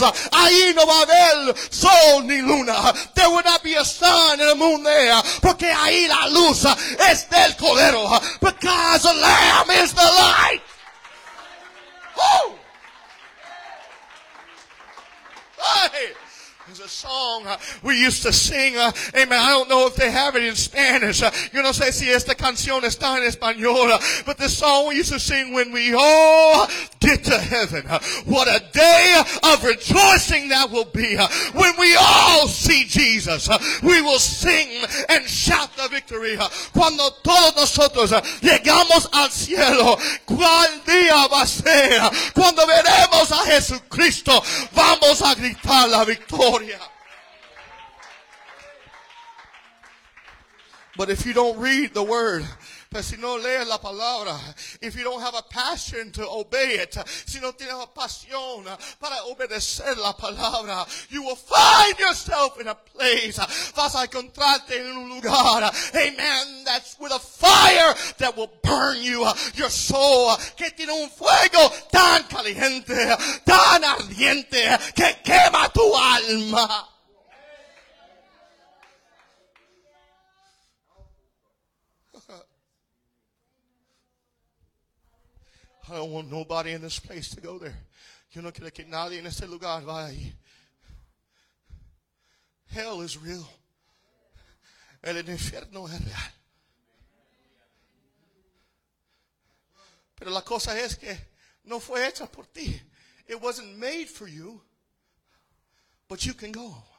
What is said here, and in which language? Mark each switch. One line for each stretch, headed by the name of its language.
Spanish: Ahí no va a haber sol ni luna.
English: There will not be a sun and a moon there,
Spanish: porque ahí la luz es del Cordero.
English: Because the Lamb is the light. Woo! Hey! There's a song we used to sing. Amen. I don't know if they have it in Spanish.
Spanish: Yo no sé si esta canción está en español.
English: But the song we used to sing when we all get to heaven. What a day of rejoicing that will be. When we all see Jesus, we will sing and shout the victory.
Spanish: Cuando todos nosotros llegamos al cielo, ¿cuál día va a ser? Cuando veremos a Jesucristo, vamos a gritar la victoria.
English: But if you don't read the word,
Spanish: si no lees la palabra,
English: if you don't have a passion to obey it,
Spanish: si no tienes pasión para obedecer la palabra,
English: you will find yourself in a place,
Spanish: vas a encontrarte en un lugar,
English: amen, that's with a fire that will burn you, your soul,
Spanish: que tiene un fuego tan caliente, tan ardiente, que quema tu alma.
English: I don't want nobody in this place to go there.
Spanish: Yo no quiero que nadie en este lugar vaya ahí.
English: Hell is real.
Spanish: El infierno es real. Pero la cosa es que no fue hecha por ti.
English: It wasn't made for you. But you can go.